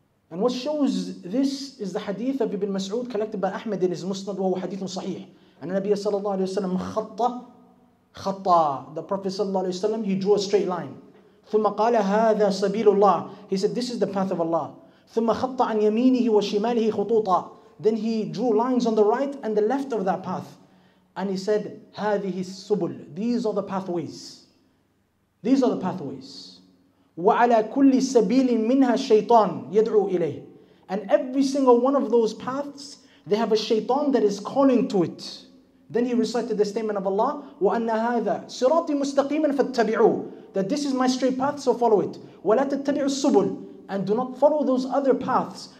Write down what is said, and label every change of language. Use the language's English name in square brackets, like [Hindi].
[English] And what shows this is the hadith of Ibn Mas'ud collected by Ahmad in his Musnad, [Arabic] وهو حديث صحيح. [English] And the Nabiya sallallahu alayhi wa sallam khatta. The Prophet sallallahu alayhi wa sallam, he drew a straight line. [Arabic] ثم قال هذا سبيل الله. [English] He said, this is the path of Allah. [Arabic] ثم خط عن يمينه وشماله خطوطا. [English] Then he drew lines on the right and the left of that path. And he said, [Arabic] هذه السبل. [English] These are the pathways. These are the pathways. [Arabic] وعلى كل سبيل منها شيطان يدعو إليه. [English] And every single one of those paths, they have a shaitan that is calling to it. Then he recited the statement of Allah, [Arabic] وَأَنَّ هَذَا سِرَاطِ مُسْتَقِيمًا فَاتَّبِعُوا [English] That this is my straight path, so follow it. [Arabic] وَلَا تَتَّبِعُوا السُّبُلِ [English] And do not follow those other paths.